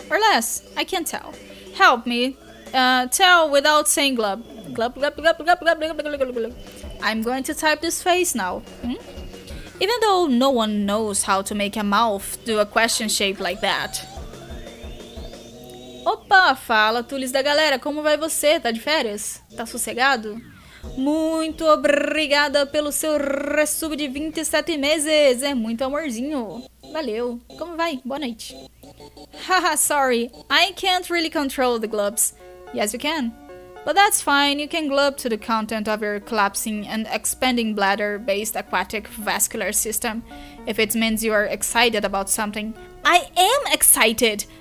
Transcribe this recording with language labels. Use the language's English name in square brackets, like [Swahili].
[English] Or less. I can't tell. Help me. Tell without saying glub. Glub, glub, glub, glub, glub, glub, glub, glub, glub. I'm going to type this face now. Hmm? Even though no one knows how to make a mouth do a question shape like that. [Portuguese] Opa, fala, Tulis da galera, como vai você? Tá de férias? Tá sossegado? Muito obrigada pelo seu resub de 27 meses, é muito amorzinho. Valeu, como vai? Boa noite. [English] Haha, sorry, I can't really control the globs. Yes, you can. But that's fine, you can glub to the content of your collapsing and expanding bladder-based aquatic vascular system, if it means you are excited about something. I am excited!